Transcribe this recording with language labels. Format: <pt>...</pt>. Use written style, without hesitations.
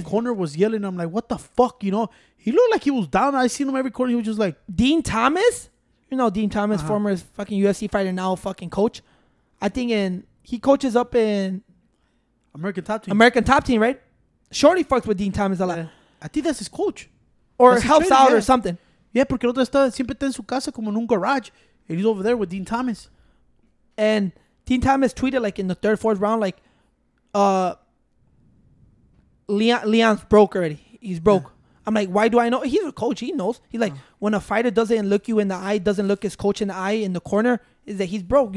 <en>his corner was yelling. I'm like, what the fuck, you know? He looked like he was down. I seen him every corner. He was just like. Dean Thomas? You know, Dean Thomas, former fucking UFC fighter, now fucking coach. I think he coaches up in. American Top Team. American Top Team, right? Shorty fucks with Dean Thomas a lot. Yeah. I think that's his coach. Or that's helps trainer, out yeah. or something.</en> <es>Yeah, porque el otro está siempre está en su casa como en un garage.</es> <en>And he's over there with Dean Thomas. And Dean Thomas tweeted like in the third, fourth round, like, Leon's broke already. He's broke. Yeah. I'm like, why do I know? He's a coach. He knows. He's like, when a fighter doesn't look you in the eye, doesn't look his coach in the eye in the corner, is that he's broke.</en>